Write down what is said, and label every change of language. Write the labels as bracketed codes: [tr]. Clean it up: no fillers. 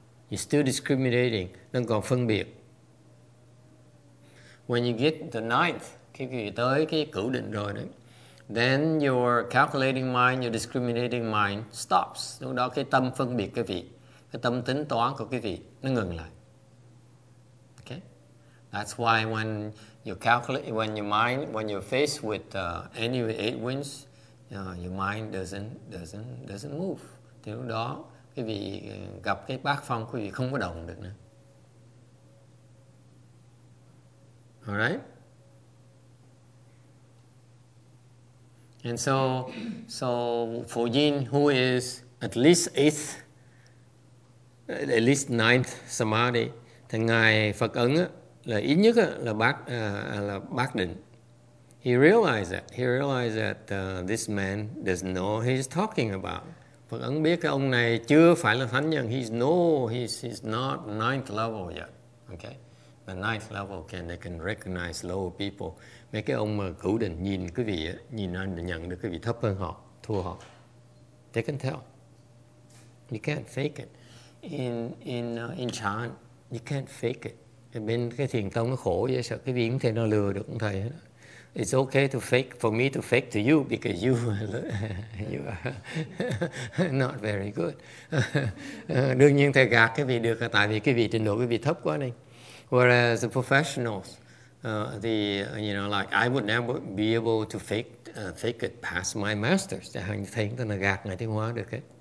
[en] You're still discriminating. [vi] Đang còn phân biệt. [en] When you get the ninth, [vi] khi quý vị tới cái cửu định rồi đấy, [en] then your calculating mind, your discriminating mind stops. [vi] Lúc đó cái tâm phân biệt quý vị, cái tâm tính toán của quý vị nó ngừng lại. [en] Okay? That's why when you calculate, when your mind, when you're faced with any eight winds, your mind doesn't move. [vi] Thì lúc đó quý vị gặp cái bát phong, quý vị không có động được nữa. [en] All right. And so for Yin, who is at least eighth, at least ninth samadhi, [vi] thì ngài Phật Ấn là ít nhất là bác định. [en] He realized that. He realized that this man doesn't know what he's talking about. [vi] Phật Ấn biết cái ông này chưa phải là thánh nhân. [en] He's not ninth level yet. Okay, the ninth level can recognize lower people. [vi] Mấy cái ông mà cửu định nhìn quý vị, nhìn anh để nhận được quý vị thấp hơn họ, thua họ. [en] They can tell. You can't fake it. In chan, you can't fake it. [vi] Bên cái thiền tông nó khổ vậy, sợ cái vị không thể nó lừa được ông thầy. [en] It's okay to fake, for me to fake to you, because you are not very good. [vi] Đương nhiên thầy gạt cái vị được, tại vì cái vị trình độ cái vị thấp quá đi. [en] Whereas the professionals, like I would never be able to fake it past my masters. [vi] Chẳng hạn như thầy cũng là gạt ngài Tiên Hóa được ấy.